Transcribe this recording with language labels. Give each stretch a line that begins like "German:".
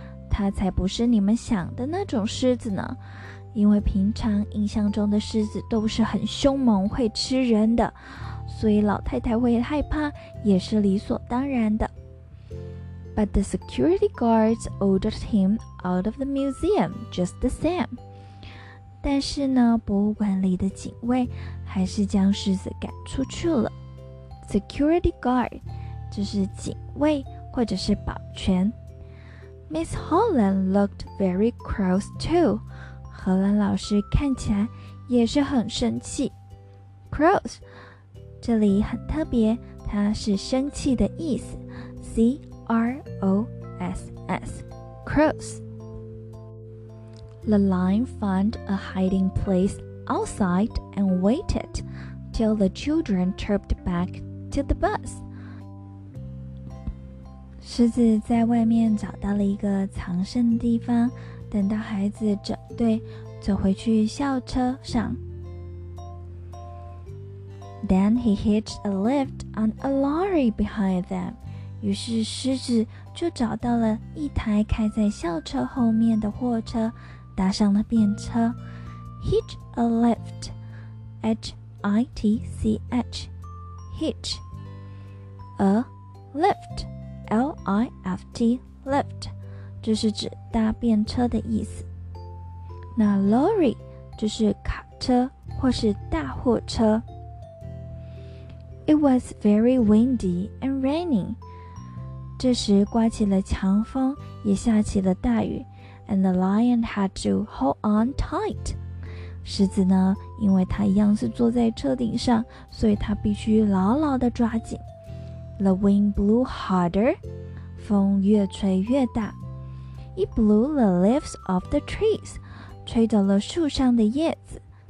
Chinese: 他才不是你们想的那种狮子呢。因为平常印象中的狮子都是很凶猛，会吃人的。所以老太太会害怕也是理所当然的。
English: But the security guards ordered him out of the museum just the same.
Chinese: 但是呢，博物馆里的警卫还是将狮子赶出去了。 Security guard 就是警卫或者是保全。
English: Miss Holland looked very cross too.
Chinese: 荷兰老师看起来也是很生气。 Cross这里很特别，它是生气的意思， C-R-O-S-S， cross。
English: The lion found a hiding place outside and waited till the children chirped back to the bus。
Chinese: 狮子在外面找到了一个藏身的地方，等到孩子整队走回去校车上。
English: Then he hitched a lift on a lorry behind them.
Chinese: 于是狮子就找到了一台开在校车后面的货车，搭上了便车。
English: Hitch a lift, H-I-T-C-H, hitch a lift,
Chinese: L-I-F-T, lift, 就是指搭便车的意思。那 lorry, 就是卡车或是大货车。
English: It was very windy and raining.
Chinese: 这时刮起了强风，也下起了大雨。
English: And the lion had to hold on tight.
Chinese: 狮子呢，因为它一样是坐在车顶上，所以它必须牢牢地抓紧。
English: The wind blew harder.
Chinese: 风越吹越大。
English: It blew the leaves off the trees.
Chinese: 吹走了树上的叶子。